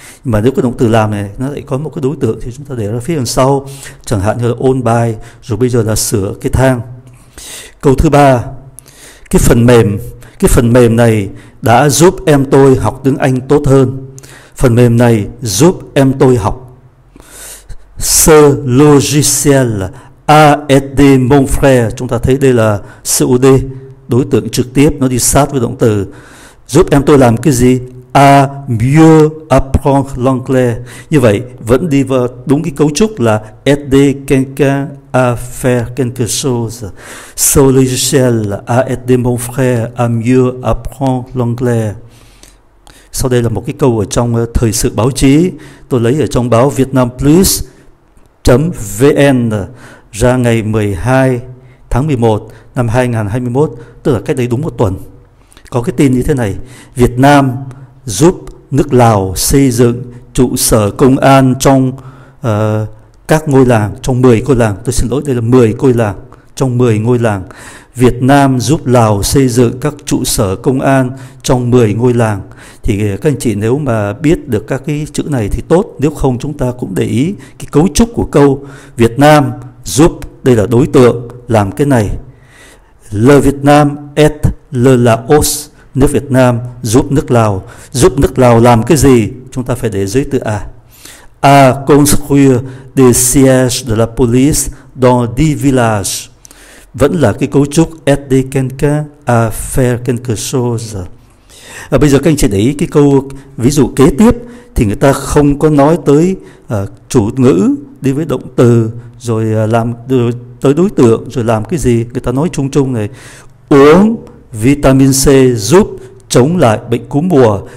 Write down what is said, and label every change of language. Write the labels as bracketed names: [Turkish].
[Vietnamese] Nhưng mà nếu cái động từ làm này nó lại có một cái đối tượng thì chúng ta để ra phía đằng sau. Chẳng hạn như là on by, rồi bây giờ là sửa cái thang. Câu thứ ba, cái phần mềm. Cái phần mềm này đã giúp em tôi học tiếng Anh tốt hơn. Phần mềm này giúp em tôi học. [French] Ce logiciel a aidé mon frère. [Vietnamese] Chúng ta thấy đây là COD, đối tượng trực tiếp, nó đi sát với động từ. Giúp em tôi làm cái gì? [French] A mieux apprendre l'anglais. [Vietnamese] Như vậy vẫn đi vào đúng cái cấu trúc là [French] aidé quelqu'un à faire quelque chose. Ce logiciel a aidé mon frère à mieux apprendre l'anglais. [Vietnamese] Sau đây là một cái câu ở trong thời sự báo chí. Tôi lấy ở trong báo vietnamplus.vn ra ngày 12 tháng 11 năm 2021, tức là cách đây đúng một tuần. Có cái tin như thế này: Việt Nam giúp nước Lào xây dựng trụ sở công an trong các ngôi làng, trong 10 ngôi làng, tôi xin lỗi, đây là 10 ngôi làng, trong 10 ngôi làng. Việt Nam giúp Lào xây dựng các trụ sở công an trong 10 ngôi làng. Thì các anh chị nếu mà biết được các cái chữ này thì tốt, nếu không chúng ta cũng để ý cái cấu trúc của câu. Việt Nam giúp, đây là đối tượng, làm cái này. [French] Le Việt Nam est le Laos, [Vietnamese] nước Việt Nam giúp nước Lào. Giúp nước Lào làm cái gì? Chúng ta phải để dưới từ A. [French] À, construire des sièges de la police dans 10 villages. [Vietnamese] Vẫn là cái cấu trúc [French] aider quelqu'un à faire quelque chose. [Vietnamese] À, bây giờ các anh chị để ý cái câu ví dụ kế tiếp thì người ta không có nói tới chủ ngữ đi với động từ rồi làm tới đối tượng rồi làm cái gì. Người ta nói chung chung này: uống vitamin C giúp chống lại bệnh cúm mùa.